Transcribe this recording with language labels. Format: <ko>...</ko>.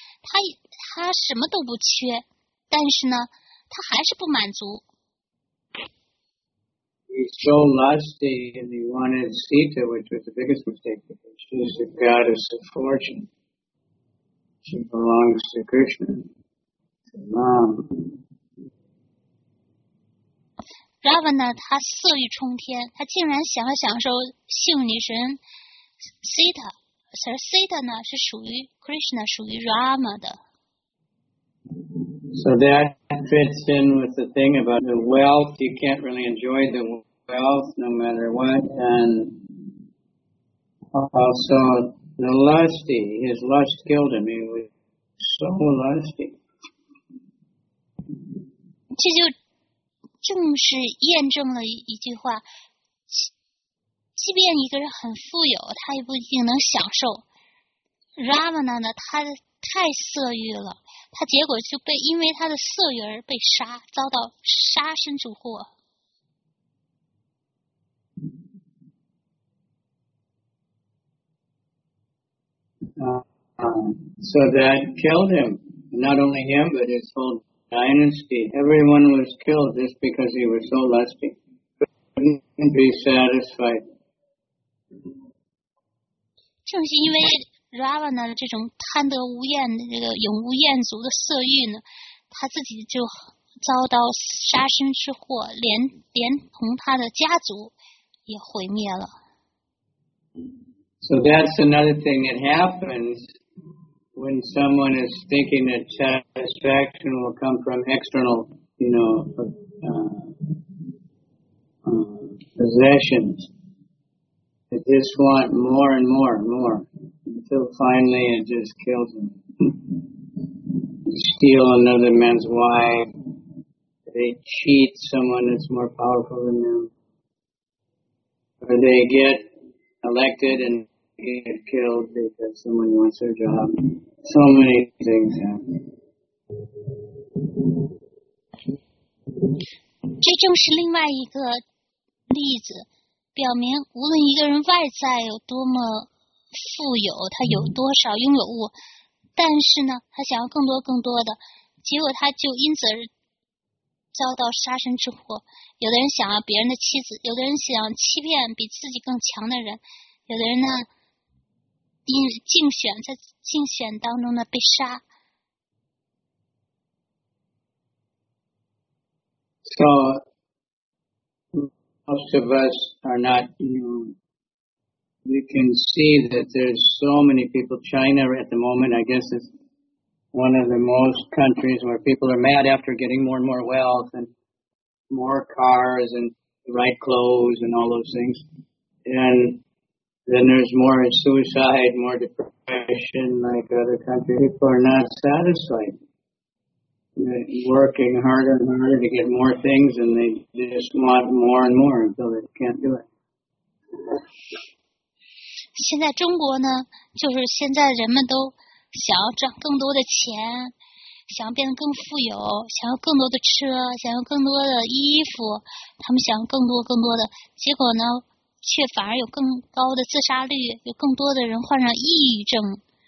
<zh>他什么都不缺，但是呢，他还是不满足。</zh> <en>He's so lusty and he wanted Sita, which was the biggest mistake because she's the goddess of fortune. She belongs to Krishna, to mom.</en> <zh>Ravana, 他色欲冲天，他竟然想要享受性女神 Sita. 而 Sita 呢是属于 Krishna, 属于 Rama 的。</zh> <en>So that fits in with the thing about the wealth. You can't really enjoy the wealth. Wealth, no matter what, and also the lusty, his lust killed him. He was so lusty.</en> <zh>这就正是验证了一句话，即便一个人很富有，他也不一定能享受。 Ravana 呢，他太色欲了，他结果就被因为他的色欲而被杀，遭到杀身之祸。</zh> <en>So that killed him. Not only him, but his whole dynasty. Everyone was killed just because he was so lusty. Couldn't be satisfied.</en> <zh>正是因为 Ravana 这种贪得无厌的这个永无厌足的色欲呢，他自己就遭到杀身之祸，连同他的家族也毁灭了。</zh> <en>So that's another thing that happens when someone is thinking that satisfaction will come from external, you know, possessions. They just want more and more and more until finally it just kills them. Steal another man's wife. They cheat someone that's more powerful than them. Or they get elected and get killed because someone wants their job. So many things happen.</en> <zh>这正是另外一个例子，表明无论一个人外在有多么富有，他有多少拥有物，但是呢，他想要更多更多的，结果他就因此而遭到杀身之祸。有的人想要别人的妻子，有的人想欺骗比自己更强的人，有的人呢，因竞选在竞选当中呢被杀。</zh> <en>So most of us are not, you know, we can see that there's so many people. China at the moment, I guess it's. One of the most countries where people are mad after getting more and more wealth and more cars and the right clothes and all those things. And then there's more suicide, more depression like other countries. People are not satisfied. They're working harder and harder to get more things and they just want more and more until they can't do it.</en> <zh>现在中国呢，就是现在人们都想要赚更多的钱，想要变得更富有，想要更多的车，想要更多的衣服，他们想要更多更多的，结果呢，却反而有更高的自杀率，有更多的人患上抑郁症。</zh>